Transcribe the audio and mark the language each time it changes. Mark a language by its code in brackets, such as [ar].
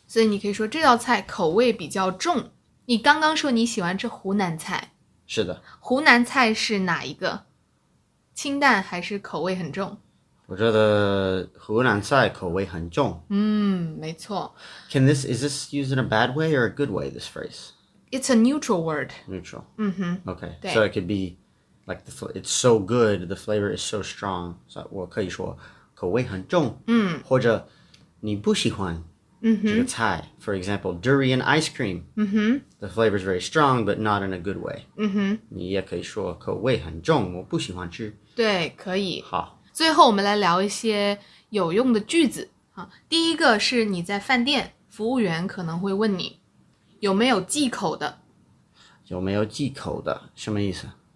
[zh] 所以你可以说这道菜口味比较重。你刚刚说你喜欢吃湖南菜。是的。湖南菜是哪一个？清淡还是口味很重？我觉得湖南菜口味很重。嗯，没错。 [en] Can this, is this used in a bad way or a good way, this phrase? It's a neutral word. Neutral. 嗯哼。 Okay, so it could be like, the, it's so good, the flavor is so strong. [zh] So 我可以说口味很重。嗯。或者你不喜欢。 Mm-hmm. 这个菜 [en] For example, durian ice cream、 mm-hmm. The flavor is very strong, but not in a good way、 mm-hmm. [zh] 你也可以说口味很重我不喜欢吃对可以好最后我们来聊一些有用的句子第一个是你在饭店服务员可能会问你有没有忌口的有没有忌口的什么意思